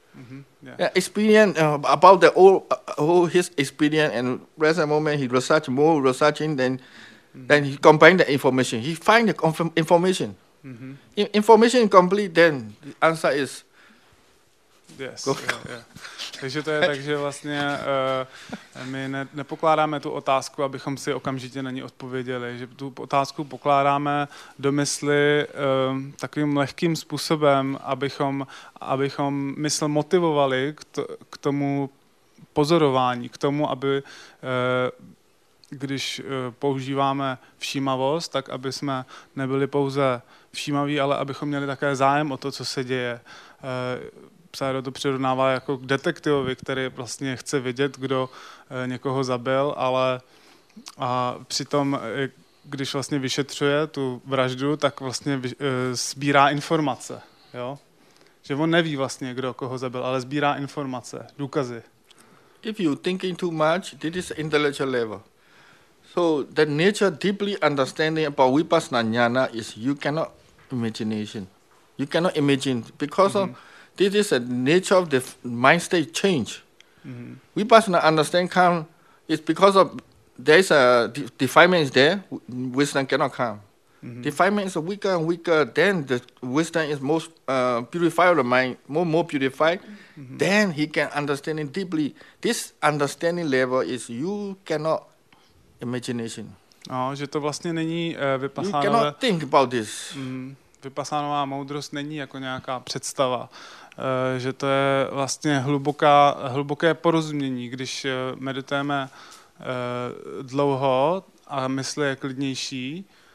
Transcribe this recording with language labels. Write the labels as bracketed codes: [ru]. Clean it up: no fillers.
[en] Mm-hmm, yeah. Experience about the whole his experience and present moment, he research more researching than then he combine the information. He find the information. Mm-hmm. Information complete, then the answer is Yes, yeah. [cs] Takže to je tak, že vlastně my nepokládáme tu otázku, abychom si okamžitě na ní odpověděli, že tu otázku pokládáme do mysli takovým lehkým způsobem, abychom mysl motivovali k tomu pozorování, k tomu, aby když používáme všímavost, tak aby jsme nebyli pouze všímaví, ale abychom měli také zájem o to, co se děje. Psáro to přirovnává jako k detektivovi, který vlastně chce vidět, kdo někoho zabil, ale a přitom, když vlastně vyšetřuje tu vraždu, tak vlastně sbírá informace. Jo? Že on neví vlastně, kdo koho zabil, ale sbírá informace, důkazy. [en] If you thinking too much, this is intellectual level. So the nature deeply understanding about vipassana jnana is you cannot imagination. You cannot imagine because of this is the nature of the mind state change. Vipassana understand come is because of there is a defilement is there, wisdom cannot come. Defilement is weaker and weaker, then the wisdom is most purified of the mind, more purified, then he can understand it deeply. This understanding level is you cannot imagination. [cs] No, že to vlastně není vypasánové. [en] You cannot think about this. [cs] Vypasánová moudrost není jako nějaká představa. Že to je vlastně hluboké porozumění, když meditujeme dlouho a mysl je klidnější.